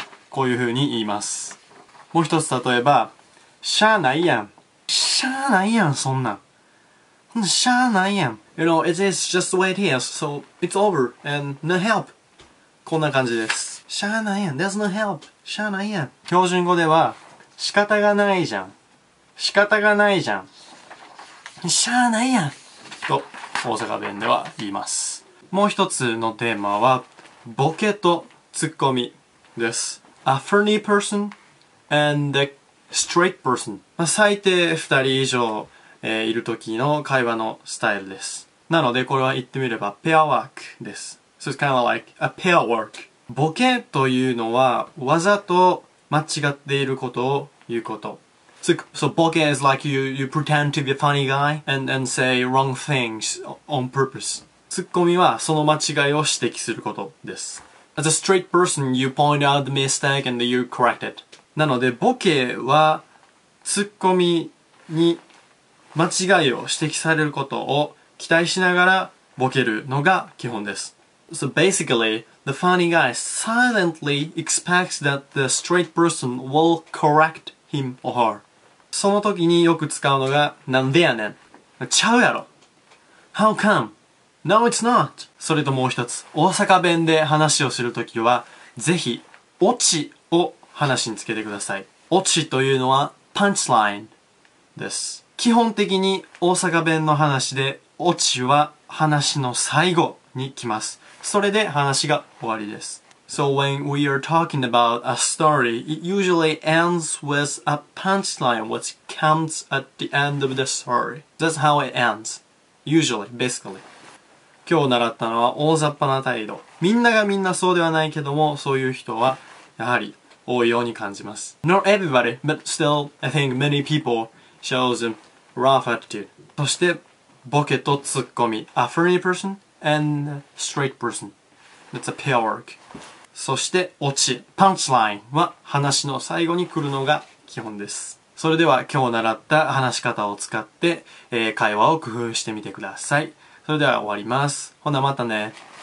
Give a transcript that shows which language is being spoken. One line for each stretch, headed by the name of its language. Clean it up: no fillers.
Japanese: こういうふうに言います。もう一つ例えば、しゃあないやん、そんなん。しゃあないやん。
English: You know, it's just the way it is, so it's over and no help.
Japanese: こんな感じです。しゃあないやん。
English: There's no help.
Japanese: しゃあないやん。標準語では、仕方がないじゃん。しゃあないやん。と、大阪弁では言います。もう一つのテーマは、ボケとツッコミです。
English: A funny person and a straight person.
Japanese: 最低二人以上、いる時の会話のスタイルです。なのでこれは言ってみればペアワークです。
English: So it's kind of like a pair work.
Japanese: ボケというのはわざと間違っていることを言うこと。
English: So boke is like you pretend to be a funny guy and say wrong things on purpose.
Japanese: ツッコミはその間違いを指摘することです。
English: As a straight person, you point out the mistake and you correct it.
Japanese: なのでボケはツッコミに間違いを指摘されることを期待しながらボケるのが基本です。
English: So basically, the funny guy silently expects that the straight person will correct him or her.
Japanese: その時によく使うのがなんでやねん。ちゃうやろ。
English: How come? No, it's not.
Japanese: それともう一つ、大阪弁で話をするときは、ぜひ、オチを話につけてください。オチというのはパンチラインです。基本的に大阪弁の話でオチは話の最後に来ます。それで話が終わりです。
English: So when we are talking about a story, it usually ends with a punchline which comes at the end of the story. That's how it ends. Usually, basically.
Japanese: 今日習ったのは大雑把な態度。みんながみんなそうではないけども、そういう人はやはり多いように感じます。
English: Not everybody, but still, I think many peopleshows a rough attitude.
Japanese: そして、ボケとツッコミ。
English: A funny person and a straight person. That's a pair work.
Japanese: そして、オチ。Punchline は話の最後に来るのが基本です。それでは、今日習った話し方を使って、会話を工夫してみてください。それでは終わります。ほな、またね。